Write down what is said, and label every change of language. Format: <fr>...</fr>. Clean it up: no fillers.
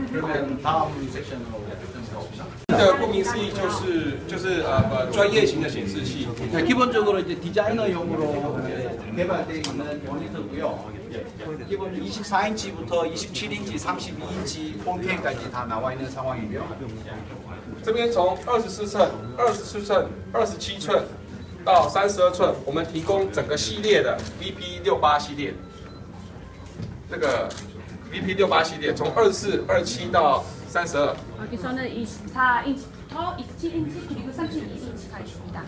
<ko>그러면 다음 섹션으로</ko> <zh>顾名思义就是专业型的显示器</zh> <ko>네, 기본적으로 이제 디자이너용으로 개발되어 있는 모니터고요. 네, 기본 24인치부터 27인치, 32인치 4K까지 다 나와 있는 상황이고요.</ko> <zh>这边从 24寸、27寸到32寸 我们提供整个系列的 VP68系列 那个 VP68系列 从24、27到32</zh> <ko>여기서는 24인치부터 27인치 그리고 32인치가 있습니다.</ko>